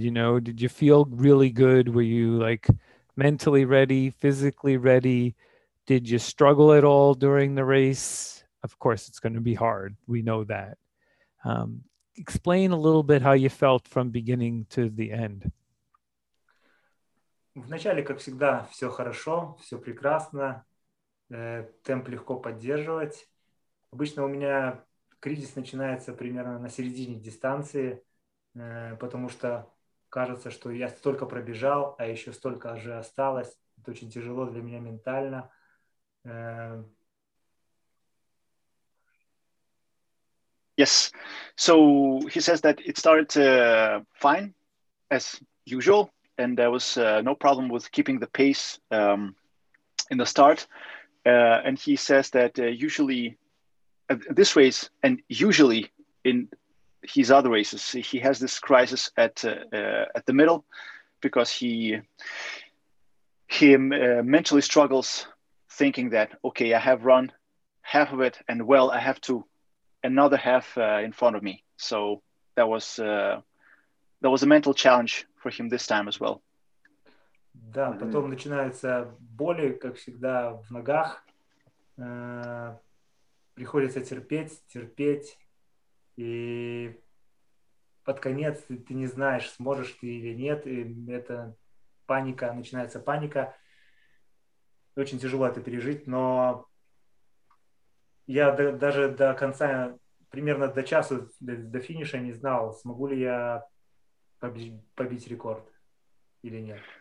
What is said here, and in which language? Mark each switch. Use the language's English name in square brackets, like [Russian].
[English] You know, did you feel really good? Were you like mentally ready, physically ready? Did you struggle at all during the race? Of course, it's going to be hard. We know that. Explain a little bit how you felt from beginning to the end. [Russian] Вначале, как всегда, все хорошо, все прекрасно, темп легко поддерживать. Обычно у меня кризис начинается примерно на середине дистанции, потому что кажется, что я столько пробежал, а еще столько же осталось. Это очень тяжело для меня ментально. [English] Yes, so he says that it started fine, as usual. And there was no problem with keeping the pace in the start. And he says that usually at this race, and usually in his other races, he has this crisis at the middle, because he mentally struggles thinking that, okay, I have run half of it, and well, I have to another half in front of me. So that was a mental challenge for him this time as well. [Russian] Да, потом начинаются боли, как всегда, в ногах. Приходится терпеть. И под конец ты не знаешь, сможешь ты или нет. И это паника, начинается паника. Очень тяжело это пережить, но я даже до конца, примерно до часа, до финиша не знал, смогу ли я побить рекорд или нет.